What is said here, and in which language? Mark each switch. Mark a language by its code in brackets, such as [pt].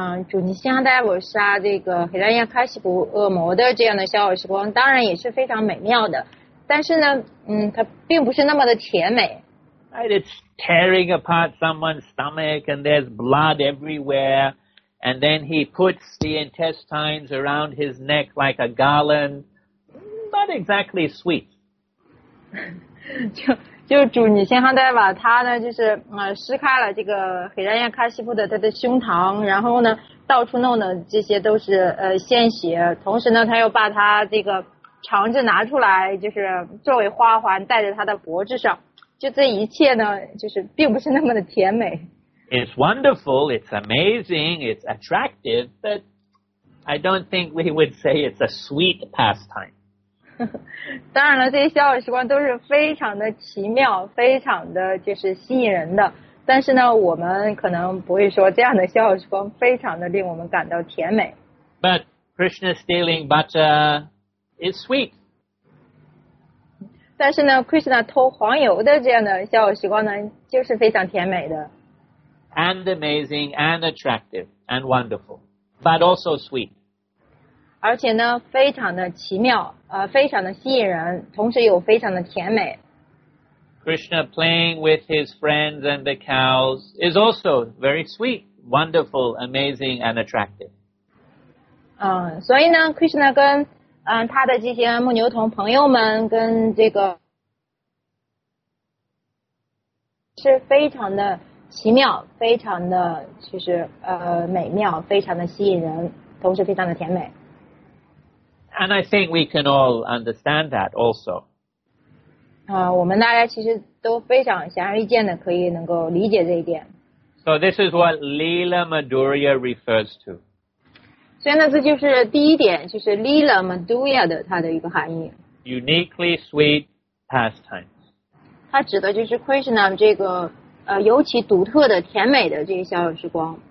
[zh] 主尼西亚大夫杀这个 Hiranyakashipu 恶魔的这样的逍遥时光，当然也是非常美妙的，但是呢，它并不是那么的甜美。 [en] Right, it's tearing apart someone's stomach and there's blood everywhere. And then he puts the intestines around his neck like a garland. Not exactly sweet. [zh] 就主女仙哈代瓦他呢就是撕开了这个黑人亚卡西夫的他的胸膛，然后呢到处弄的这些都是鲜血，同时呢他又把他这个肠子拿出来就是作为花环戴在他的脖子上。就这一切呢，就是并不是那么的甜美。 [en] It's wonderful, it's amazing, it's attractive, but I don't think we would say it's a sweet pastime. [zh] 当然了，这些逍遥时光都是非常的奇妙，非常的就是吸引人的。但是呢，我们可能不会说这样的逍遥时光非常的令我们感到甜美。 [en] But Krishna stealing butter is sweet. [zh] 但是呢 ，Krishna 偷黄油的这样的逍遥时光呢，就是非常甜美的 [en] ，and amazing and attractive and wonderful, but also sweet. [zh] 而且呢，非常的奇妙，非常的吸引人，同时又非常的甜美。 [en] Krishna playing with his friends and the cows is also very sweet, wonderful, amazing and attractive. [zh] 所以呢 ，Krishna 跟他的这些牧牛童朋友们跟这个是非常的奇妙，非常的其实美妙，非常的吸引人，同时非常的甜美。 [en] And I think we can all understand that also. [zh] 我们大家其实都非常显而易见的可以能够理解这一点。 [en] So this is what Leela Madhurya refers to. [zh] 所以呢，这就是第一点，就是 Leela Madhurya 的它的一个含义。 [en] Uniquely sweet pastimes. [zh] 它指的就是 Krishna 这个尤其独特的甜美的这个逍遥时光。